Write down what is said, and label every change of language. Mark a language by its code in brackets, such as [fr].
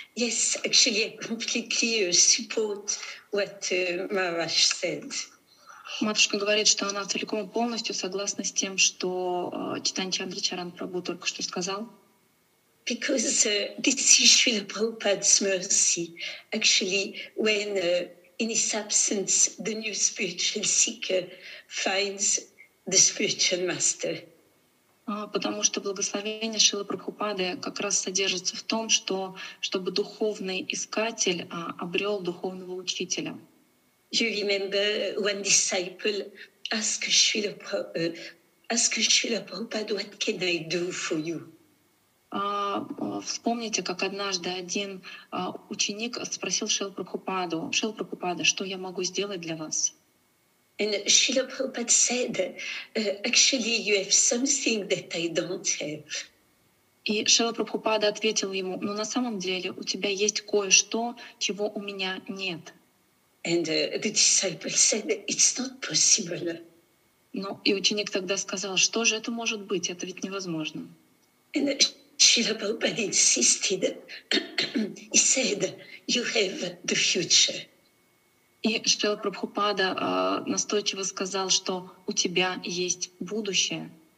[en] Yes, actually, I completely support what Maharaj said. [ru] Матушка говорит, что она целиком и полностью согласна с тем, что Чайтанья Чандрачаран Прабху только что сказал. [en] Because this is Srila Prabhupada's mercy. Actually, when in his absence, the new spiritual seeker finds the spiritual master. [ru] Потому что благословение Шрилы Прабхупады как раз содержится в том, что чтобы духовный искатель обрел духовного учителя. [en] You remember one disciple asked Шрилы Прабхупада, what can I do for you? [ru] Вспомните, как однажды один ученик спросил Шрилу Прабхупаду, что я могу сделать для вас? [en] And Srila Prabhupada said, actually, you have something that I don't have. [ru] И Шрила Прабхупада ответил ему, ну, на самом деле, у тебя есть кое-что, чего у меня нет. [en] And the disciple said, it's not possible. [ru] Ну, и ученик тогда сказал, что же это может быть? Это ведь невозможно. [en] And Srila Prabhupada insisted, he said, you have the future. [ru] И Шрила Прабхупада настойчиво сказал, что у тебя есть будущее.